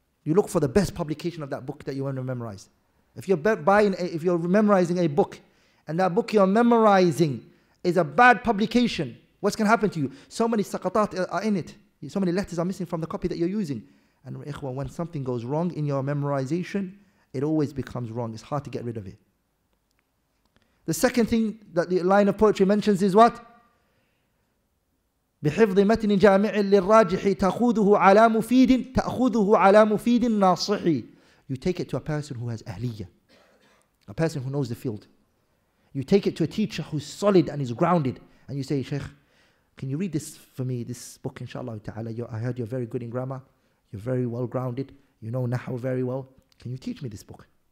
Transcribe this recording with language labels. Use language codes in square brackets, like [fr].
[en] You look for the best publication of that book that you want to memorize. If you're if you're memorizing a book, and that book you're memorizing is a bad publication, what's going to happen to you? So many saqatat are in it. So many letters are missing from the copy that you're using. And ikhwah, when something goes wrong in your memorization, it always becomes wrong. It's hard to get rid of it. The second thing that the line of poetry mentions is what? [ar] بحفظ متن جامع للراجح تأخذه على مفيد تأخذه على مفيد ناصحي. [en] You take it to a person who has ahliya, a person who knows the field. You take it to a teacher who's solid and is grounded, and you say, Sheikh, can you read this for me, this book, inshallah ta'ala? I heard you're very good in grammar, you're very well grounded, you know Nahu very well, can you teach me this book?